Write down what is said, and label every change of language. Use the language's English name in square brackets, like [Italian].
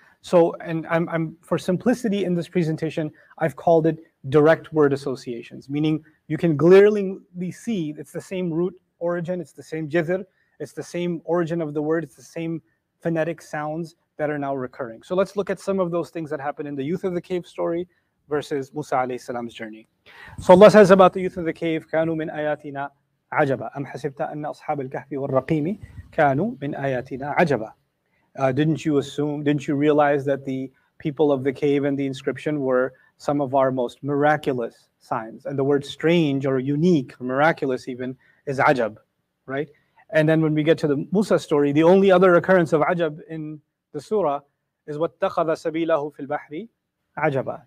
[English] So, and I'm for simplicity in this presentation, I've called it direct word associations, meaning you can clearly see it's the same root origin, it's the same jizr, it's the same origin of the word, it's the same phonetic sounds that are now recurring. So let's look at some of those things that happen in the youth of the cave story versus Musa alayhi salam's journey. So Allah says about the youth of the cave, [Arabic] كانوا من آياتنا عجبا. أم حسبت أن أصحاب الكهف والرقيم كانوا من آياتنا عجبا. [English] Didn't you realize that the people of the cave and the inscription were some of our most miraculous signs? And the word strange or unique, or miraculous even, is ajab, right? And then when we get to the Musa story, the only other occurrence of ajab in the surah is what [Arabic] takhadha sabilahu fil bahri ajaba.